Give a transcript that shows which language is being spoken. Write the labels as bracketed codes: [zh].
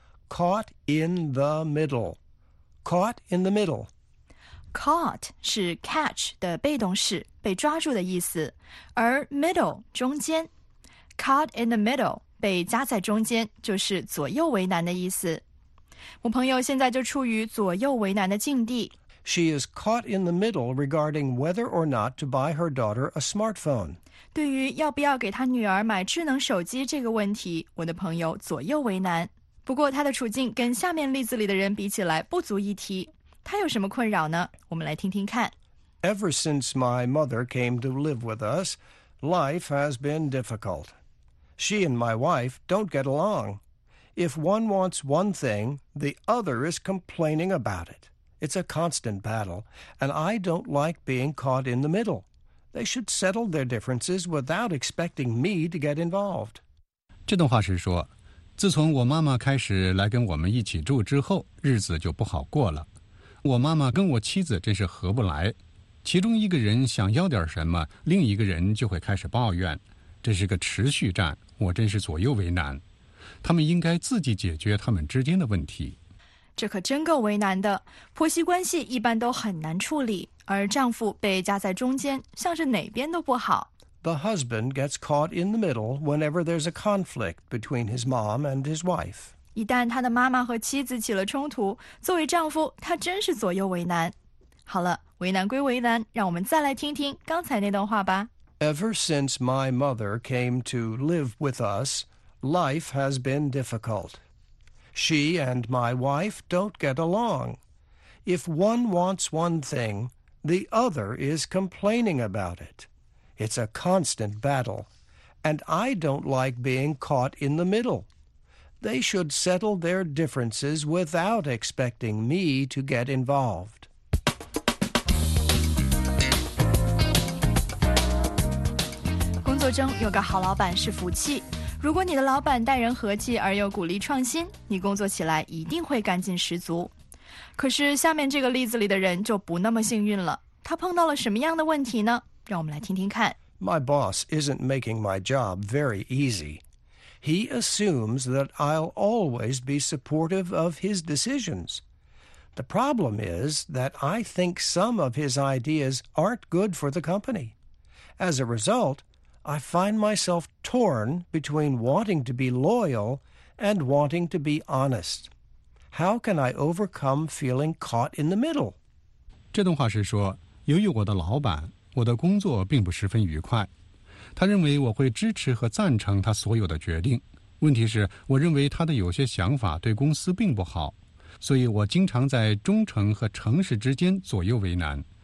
[en] Caught in the middle. Caught in the middle. [zh] Caught 是 catch 的被动式，被抓住的意思，而 middle 中间 [en] Caught in the middle [zh] 被夹在中间就是左右为难的意思。我朋友现在就处于左右为难的境地。 [en] She is caught in the middle regarding whether or not to buy her daughter a smartphone. [zh] 对于要不要给她女儿买智能手机这个问题，我的朋友左右为难。不过她的处境跟下面例子里的人比起来不足一提。她有什么困扰呢？我们来听听看。 [en] Ever since my mother came to live with us, life has been difficult. She and my wife don't get along. If one wants one thing, the other is complaining about it. It's a constant battle, and I don't like being caught in the middle. They should settle their differences without expecting me to get involved. [zh] 这段话是说，自从我妈妈开始来跟我们一起住之后，日子就不好过了。我妈妈跟我妻子真是合不来，其中一个人想要点什么，另一个人就会开始抱怨，这是个持续战，我真是左右为难。他们应该自己解决他们之间的问题。这可真够为难的，婆媳关系一般都很难处理，而丈夫被夹在中间，像是哪边都不好。 [en] The husband gets caught in the middle whenever there's a conflict between his mom and his wife. [zh] 一旦他的妈妈和妻子起了冲突，作为丈夫，他真是左右为难。好了，为难归为难，让我们再来听听刚才那段话吧。 [en] Ever since my mother came to live with us, life has been difficult. She and my wife don't get along. If one wants one thing, the other is complaining about it. It's a constant battle, and I don't like being caught in the middle. They should settle their differences without expecting me to get involved. [zh] 工作中有个好老板是福气。如果你的老板待人和气而又鼓励创新，你工作起来一定会干劲十足。可是下面这个例子里的人就不那么幸运了，他碰到了什么样的问题呢？让我们来听听看。 [en] My boss isn't making my job very easy. He assumes that I'll always be supportive of his decisions. The problem is that I think some of his ideas aren't good for the company. As a result, I find myself torn between wanting to be loyal and wanting to be honest. How can I overcome feeling caught in the middle? [zh] 这段话是说，由于我的老板我的工作并不十分愉快，他认为我会支持和赞成他所有的决定。问题是，我认为他的有些想法对公司并不好，所以我经常在忠诚和诚实之间左右为难。